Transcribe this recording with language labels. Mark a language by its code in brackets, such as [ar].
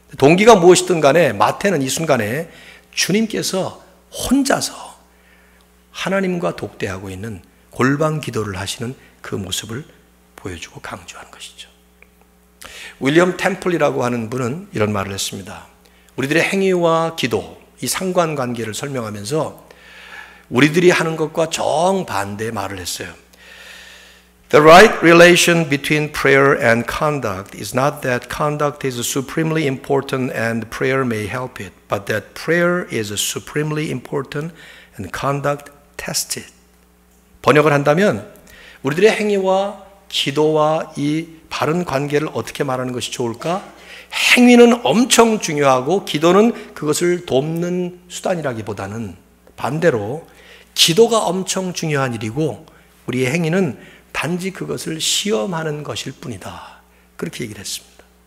[ko] 동기가 무엇이든 간에 마태는 이 순간에 주님께서 혼자서 하나님과 독대하고 있는 골방 기도를 하시는 그 모습을 보여주고 강조한 것이죠. 윌리엄 템플이라고 하는 분은 이런 말을 했습니다. 우리들의 행위와 기도, 이 상관관계를 설명하면서 우리들이 하는 것과 정반대의 말을 했어요. [en] The right relation between prayer and conduct is not that conduct is supremely important and prayer may help it, but that prayer is supremely important and conduct tests it. [ko] 번역을 한다면 우리들의 행위와 기도와 이 바른 관계를 어떻게 말하는 것이 좋을까? 행위는 엄청 중요하고 기도는 그것을 돕는 수단이라기보다는 반대로 기도가 엄청 중요한 일이고 우리의 행위는 단지 그것을 시험하는 것일 뿐이다. 그렇게 얘기를 했습니다.